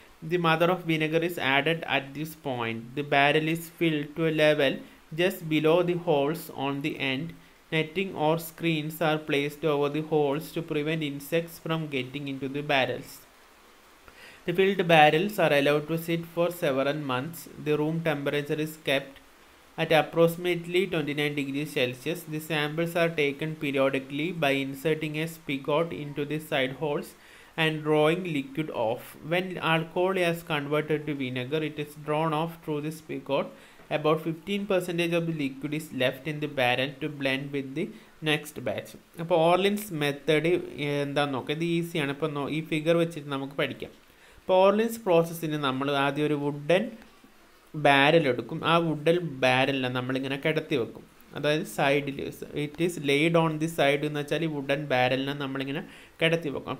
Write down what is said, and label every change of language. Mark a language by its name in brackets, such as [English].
[English] The mother of vinegar is added at this point. The barrel is filled to a level just below the holes on the end. Netting or screens are placed over the holes to prevent insects from getting in to the barrels. The filled barrels are allowed to sit for 7 months. The room temperature is kept at approximately 29 degrees Celsius. The samples are taken periodically by inserting a spigot into the side holes and drawing liquid off. When alcohol has converted to vinegar, it is drawn off through the spigot. About 15% of the liquid is left in the barrel to blend with the next batch. [Malayalam] അപ്പോൾ ഓർലിൻസ് method എന്താന്ന് നോക്കുക. ഇത് ഈസിയാണ്. ഇപ്പോൾ ഈ figure വെച്ചിട്ട് നമുക്ക് പഠിക്കാം. അപ്പോൾ ഓർലിൻസ് പ്രോസസ്സിന് നമ്മൾ ആദ്യം ഒരു വുഡൻ ബാരൽ എടുക്കും. ആ വുഡൻ ബാരലിനെ നമ്മളിങ്ങനെ കിടത്തി വെക്കും. അതായത് സൈഡിൽ [English] it is laid on the side [Malayalam] എന്ന് വെച്ചാൽ ഈ വുഡൻ ബാരലിനെ നമ്മളിങ്ങനെ കിടത്തി വെക്കും.